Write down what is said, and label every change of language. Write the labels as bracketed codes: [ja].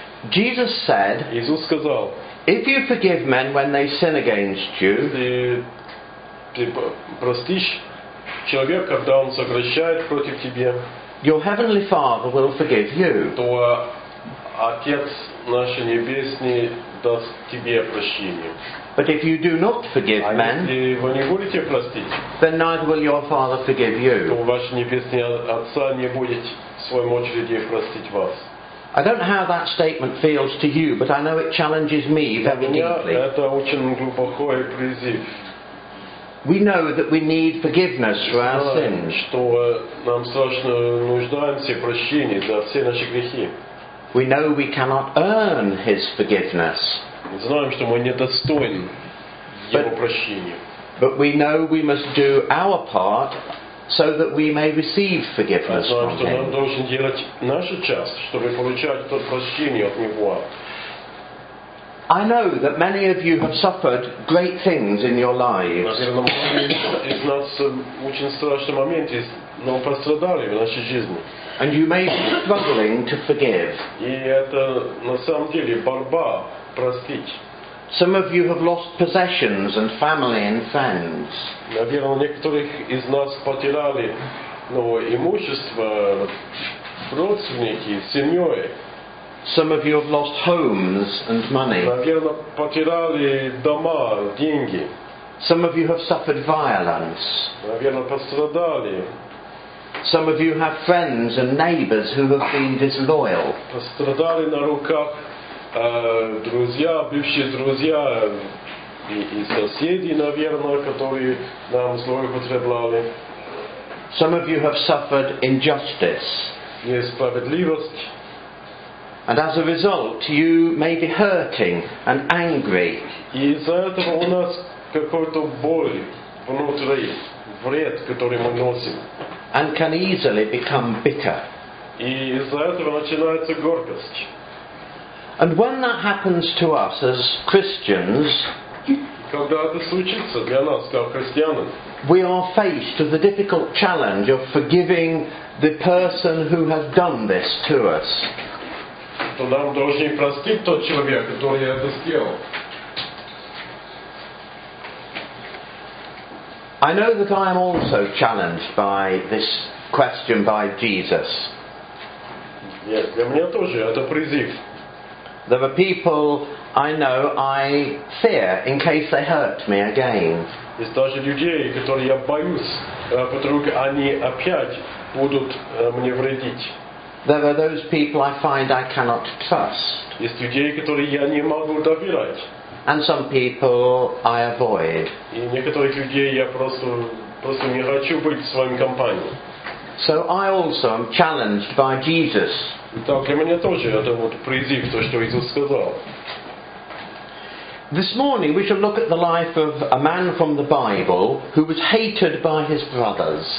[en] Jesus said, if you forgive men when they sin against you, [ru] ты простишь человека, когда он согрешает против тебя, [en] your heavenly Father will forgive you. [ru] То Отец наш Небесный даст тебе прощение. [en] But if you do not forgive men, [ru] если вы не будете простить, [en] then neither will your Father forgive you. [ru] То ваш Небесный Отца не будет в своем очереди простить вас. [en] I don't know how that statement feels to you, but I know it challenges me very deeply. [ru] Для меня это очень глубокий призыв. [en] We know that we need forgiveness for our sins. [ru] Что нам страшно нуждаемся в прощении за все наши грехи. [en] We know we cannot earn His forgiveness. [ru] Мы знаем, что мы недостойны Его прощения. [en] But we know we must do our part so that we may receive forgiveness from Him. [ru] Мы знаем, что нам должен делать нашу часть, чтобы получать то прощение от Него. [en] I know that many of you have suffered great things in your lives. [ru] Из нас очень страшные моменты, но пострадали в нашей жизни. [en] And you may be struggling to forgive. [ru] И это на самом деле борьба простить. [en] Some of you have lost possessions and family and friends. [ru] Наверное, некоторых из нас потеряли, ну, имущество, родственники, семьёй. [en] Some of you have lost homes and money. [ru] Наверное, потеряли дома, деньги. [en] Some of you have suffered violence. [ru] Наверное, пострадали. [en] Some of you have friends and neighbors who have been disloyal. [ru] Пострадали на руках друзья, бывшие друзья и соседи, наверное, которые нам зло употребляли. [en] Some of you have suffered injustice. [ru] Несправедливость. [en] And as a result, you may be hurting and angry. [ru] И из-за этого у нас какой-то боль внутри, вред, который мы носим. [en] And can easily become bitter. [ru] И из-за этого начинается горькость. [en] And when that happens to us as Christians, [ru] когда это случится для нас, как христианин, [en] we are faced with the difficult challenge of forgiving the person who has done this to us. [ru] То нам должен простить тот человек, который это сделал. [en] I know that I am also challenged by this question by Jesus. [ru] Нет, для меня тоже это призыв. [en] There are people I know I fear in case they hurt me again. [ru] Есть даже людей, которые я боюсь, вдруг они опять будут мне вредить. [en] There are those people I find I cannot trust. [ru] Есть людей, которые я не могу доверять. [en] And some people I avoid. [ru] И некоторых людей я просто не хочу быть в своей компании. [en] So I also am challenged by Jesus. [ru] Итак, для меня тоже это вот призыв, то, что Иисус сказал. [en] This morning we shall look at the life of a man from the Bible who was hated by his brothers.